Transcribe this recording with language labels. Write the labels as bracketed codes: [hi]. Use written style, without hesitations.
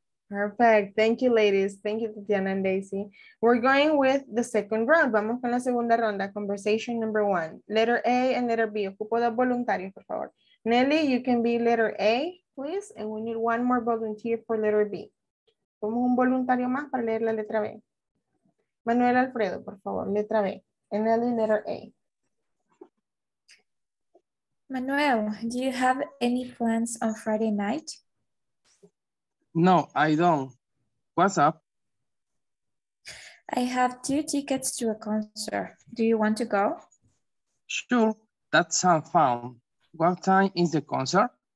[en] Perfect, thank you, ladies. Thank you, Tatiana and Daisy. We're going with the second round. [es] Vamos con la segunda ronda, [en] conversation number 1. Letter A and letter B. [es] Ocupo dos voluntarios, por favor. Nelly, [en] you can be letter A, please. And we need 1 more volunteer for letter B. [es] Como un voluntario más para leer la letra B. Manuel Alfredo, por favor, letra B. En la letra A. [en] Manuel, do you have any plans on Friday night? No, I don't. What's up? I have two tickets to a concert. Do you want to go? Sure, that sounds fun. What time is the concert?